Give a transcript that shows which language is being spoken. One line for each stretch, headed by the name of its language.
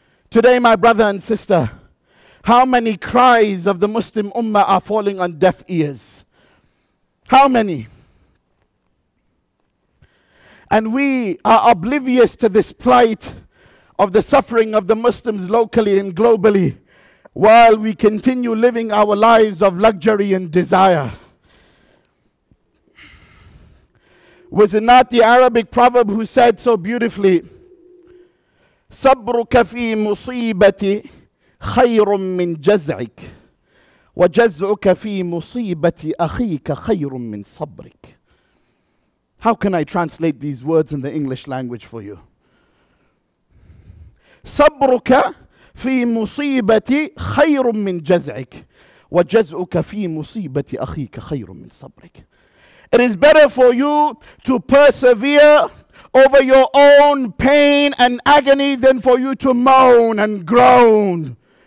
English: Today, my brother and sister, how many cries of the Muslim ummah are falling on deaf ears? How many? And we are oblivious to this plight of the suffering of the Muslims locally and globally while we continue living our lives of luxury and desire. Was it not the Arabic proverb who said so beautifully,
Arabic: صَبْرُكَ فِي مُصِيبَتِي خَيْرٌ مِّن جَزْعِكَ وَجَزْعُكَ فِي مُصِيبَةِ أَخِيكَ خَيْرٌ مِّن صَبْرِكَ.
English: How can I translate these words in the English language for you?
Arabic: صَبْرُكَ فِي مُصِيبَةِ خَيْرٌ مِّن جَزْعِكَ وَجَزْعُكَ فِي مُصِيبَةِ أَخِيكَ خَيْرٌ مِّن صَبْرِكَ.
English: It is better for you to persevere over your own pain and agony than for you to moan and groan.